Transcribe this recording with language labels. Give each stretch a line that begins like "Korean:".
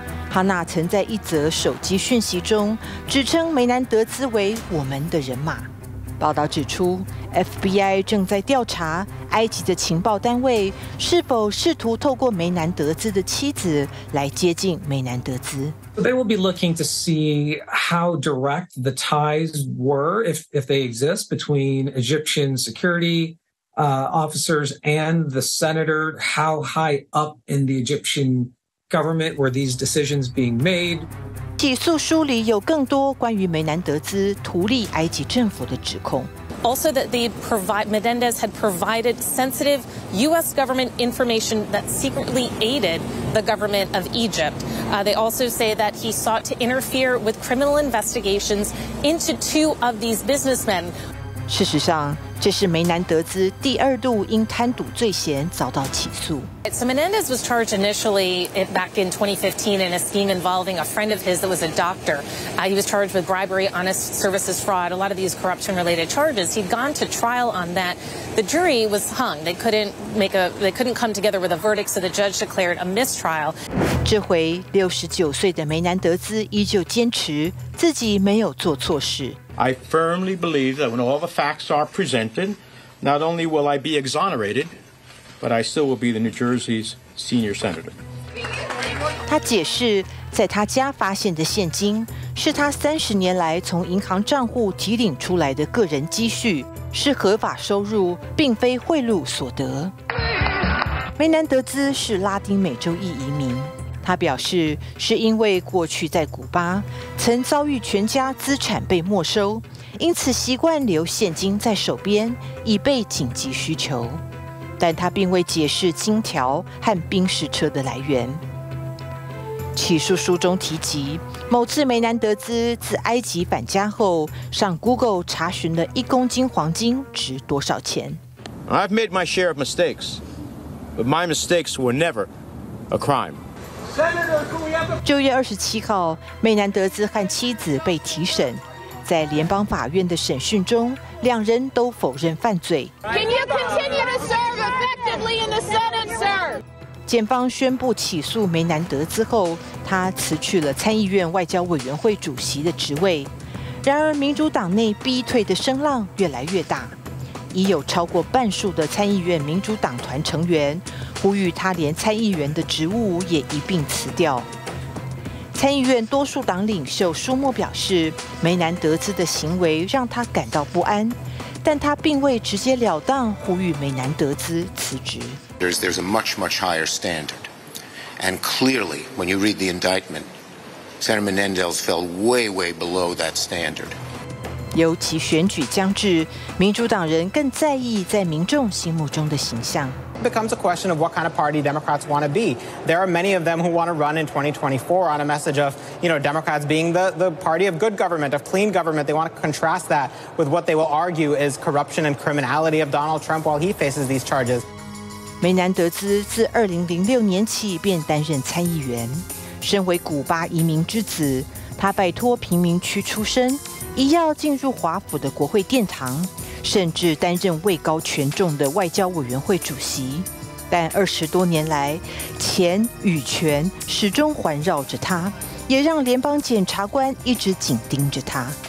Chinese: 哈纳曾在一则手机讯息中指称梅南德兹为我们的人马。报道指出 ，FBI 正在调查埃及的情报单位是否试图透过梅南德兹的妻子来接近梅南德兹。
English: They will be looking to see how direct the ties were, if they exist, between Egyptian security officers and the senator. How high up in the Egyptian government were these decisions being made?
Chinese: 起诉书里有更多关于梅南德兹图利埃及政府的指控。
English: Also, that Menendez had provided sensitive U.S. government information that secretly aided the government of Egypt. They also say that he sought to interfere with criminal investigations into 2 of these businessmen.
Chinese: 事实上，这是梅南德兹第二度因贪赌罪嫌遭到起诉。
English: So Menendez was charged initially back in 2015 in a scheme involving a friend of his that was a doctor. He was charged with bribery, honest services fraud, a lot of these corruption-related charges. He'd gone to trial on that. The jury was hung. They couldn't come together with a verdict, so the judge declared a mistrial.
Chinese: 这回69岁的梅南德兹依旧坚持自己没有做错事。
English: I firmly believe that when all the facts are presented, not only will I be exonerated, but I still will be the New Jersey's senior senator.
Chinese: 他解释，在他家发现的现金是他30年来从银行账户提领出来的个人积蓄，是合法收入，并非贿赂所得。梅南德兹是拉丁美洲裔移民。他表示，是因为过去在古巴曾遭遇全家资产被没收，因此习惯留现金在手边，以备紧急需求。但他并未解释金条和宾士车的来源。起诉书中提及，某次梅南德兹自埃及返家后，上 Google 查询了一公斤黄金值多少钱。
English: I've made my share of mistakes, but my mistakes were never a crime.
Chinese: 9月27号，梅南德兹和妻子被提审，在联邦法院的审讯中，两人都否认犯罪。
English: Can you continue to serve effectively in the Senate, sir?
Chinese: 检方宣布起诉梅南德兹后，他辞去了参议院外交委员会主席的职位。然而，民主党内逼退的声浪越来越大，已有超过半数的参议院民主党团成员呼吁他连参议员的职务也一并辞掉。参议院多数党领袖舒默表示，梅南德兹的行为让他感到不安，但他并未直截了当呼吁梅南德兹辞职。
English: There's a much, much higher standard. And clearly, when you read the indictment, Senator Menendez fell way, way below that standard.
Chinese: 尤其选举将至，民主党人更在意在民众心目中的形象。
English: It becomes a question of what kind of party Democrats want to be. There are many of them who want to run in 2024 on a message of, you know, Democrats being the party of good government, of clean government. They want to contrast that with what they will argue is corruption and criminality of Donald Trump while he faces these charges.
Chinese: 梅南德兹自2006年起便担任参议员，身为古巴移民之子，他拜托贫民区出身。一要进入华府的国会殿堂，甚至担任位高权重的外交委员会主席，但20多年来，钱与权始终环绕着他，也让联邦检察官一直紧盯着他。